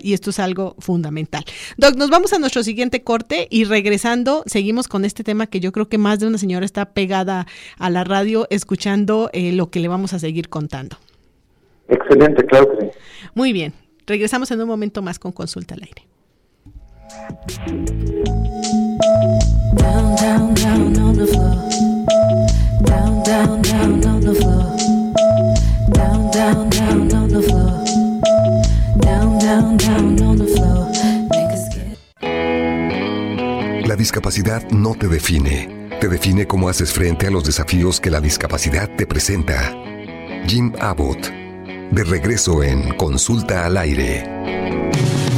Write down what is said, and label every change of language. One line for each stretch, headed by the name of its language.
Spanish: Y esto es algo fundamental. Doc, nos vamos a nuestro siguiente corte y regresando, seguimos con este tema que yo creo que más de una señora está pegada a la radio escuchando lo que le vamos a seguir contando. Excelente, Claudia. Muy bien. Regresamos en un momento más con Consulta al Aire.
English: Down, down, down on the floor. Down, down, down on the floor. Down, down, down on the floor.
Spanish: La discapacidad no te define. Te define cómo haces frente a los desafíos que la discapacidad te presenta. Jim Abbott. De regreso en Consulta al Aire.